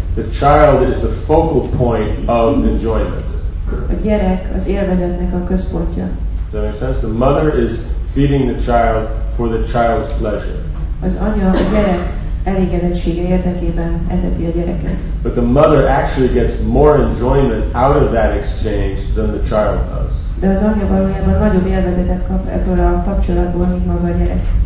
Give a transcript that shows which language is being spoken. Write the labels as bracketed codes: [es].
[en] The child is the focal point of enjoyment. [hu] A gyerek az élvezetnek a központja. [en] Does that make sense? The mother is feeding the child for the child's pleasure. [hu] Az anya a gyerek elégedettsége érdekében eteti a gyereket. [en] But the mother actually gets more enjoyment out of that exchange than the child does. [hu] De az anya valójában nagyobb élvezetet kap ebből a kapcsolatból, mint maga a gyerek.